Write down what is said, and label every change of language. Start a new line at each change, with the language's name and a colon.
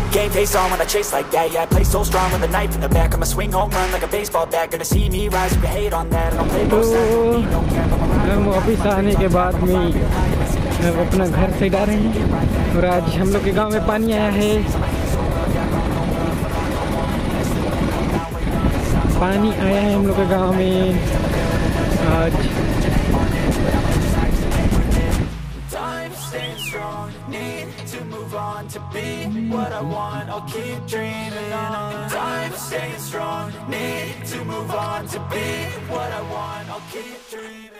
English: Face on when I chase like that, yeah, I play so strong with a knife in the back. I'ma swing home run like a baseball bat. Gonna see me rise if you hate on that. And I'll play both sides,
Hindi: हम office आने के बाद में अपना घर से डर रहे हैं, और आज हम लोग के गांव में पानी आया है। पानी आया है हम लोग के गांव में आज।
English: Time staying strong, need to move on to be what I want, I'll keep dreaming on.